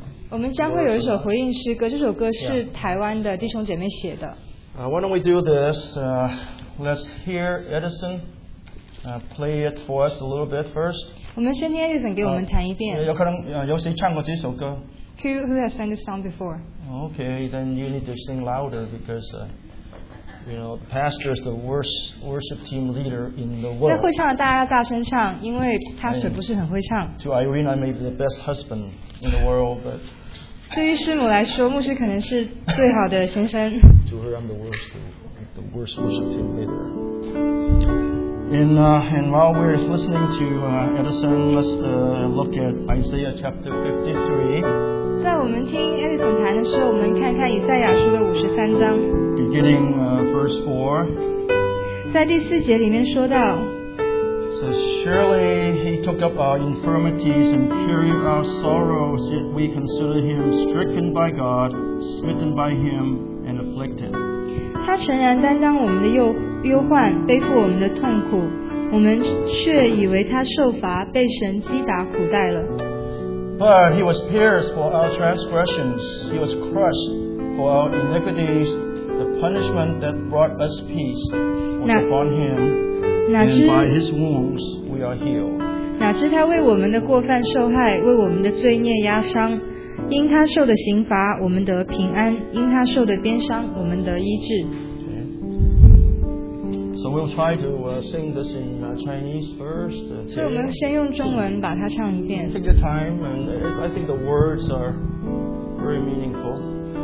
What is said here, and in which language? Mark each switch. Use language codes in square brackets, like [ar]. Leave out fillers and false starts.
[zh] 我们将会有一首回应诗歌，这首歌是台湾的弟兄姐妹写的。 [en] Why don't we do this? Let's hear Edison play it for us a little bit first. [zh] 我们先听 Edison 给我们弹一遍。有可能有谁唱过这首歌？ [en] Who has sang this song before? Okay, then you need to sing louder because, you know, the pastor is the worst worship team leader in the world. [zh] 在会唱的大家要大声唱，因为 pastor 不是很会唱。 [en] To Irene, I may be the best husband in the world, but. [zh] 对于师母来说，牧师可能是最好的先生。 [en] To her, I'm the worst worship team leader. And while we're listening to Edison, let's look at Isaiah chapter 53. [zh] 在我们听 Edison 弹的时候，我们看看以赛亚书的53章。 [en] Beginning verse 4， [zh] 在第四节里面说到。 [en] So surely he took up our infirmities and carried our sorrows, yet we considered him stricken by God, smitten by him, and afflicted. [zh] 他诚然担当我们的忧患，背负我们的痛苦，我们却以为他受罚，被神击打苦待了。 [en] But he was pierced for our transgressions. He was crushed for our iniquities. The punishment that brought us peace was upon him. And by his wounds we are healed. [zh] 哪知他为我们的过犯受害，为我们的罪孽压伤。因他受的刑罚，我们得平安；因他受的鞭伤，我们得医治。 [en] So we'll try to sing this in Chinese first. [zh] 所以我们先用中文把它唱一遍。 [en] Take the time, and I think the words are very meaningful.